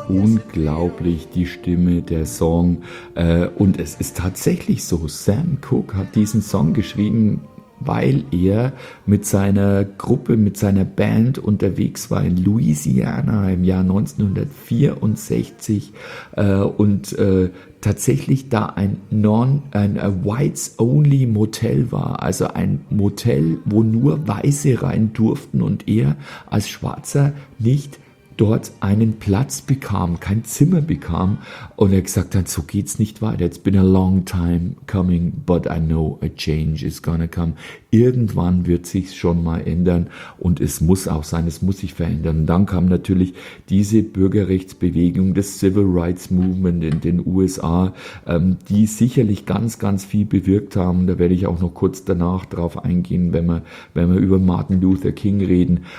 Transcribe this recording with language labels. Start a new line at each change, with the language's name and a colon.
German: Unglaublich, die Stimme, der Song. Und es ist tatsächlich so, Sam Cooke hat diesen Song geschrieben, weil er mit seiner Gruppe, mit seiner Band unterwegs war in Louisiana im Jahr 1964 und tatsächlich da ein Whites-Only-Motel war, also ein Motel, wo nur Weiße rein durften und er als Schwarzer nicht dort einen Platz bekam, kein Zimmer bekam. Und er gesagt hat, so geht's nicht weiter.
English: It's been a long time coming, but I know a change is gonna come.
German: Irgendwann wird sich's schon mal ändern und es muss auch sein, es muss sich verändern. Und dann kam natürlich diese Bürgerrechtsbewegung, das Civil Rights Movement in den USA, die sicherlich ganz, ganz viel bewirkt haben. Da werde ich auch noch kurz danach drauf eingehen, wenn wir über Martin Luther King reden.